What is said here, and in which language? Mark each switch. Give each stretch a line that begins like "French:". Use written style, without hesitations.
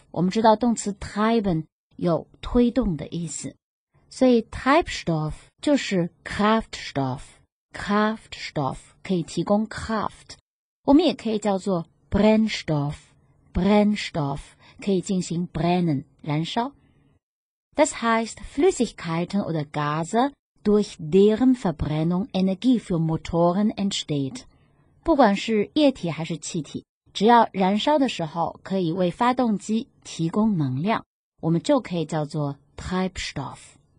Chinese: 我们知道动词 treiben 有推动的意思，所以 Treibstoff 就是 Kraftstoff 可以提供 Kraft， 我们也可以叫做 Brennstoff 可以进行 brennen 燃烧。
German: Das heißt Flüssigkeiten oder Gase durch deren Verbrennung Energie für Motoren entsteht，
Chinese: 不管是液体还是气体，只要燃烧的时候可以为发动机提供能量，我们就可以叫做 Treibstoff。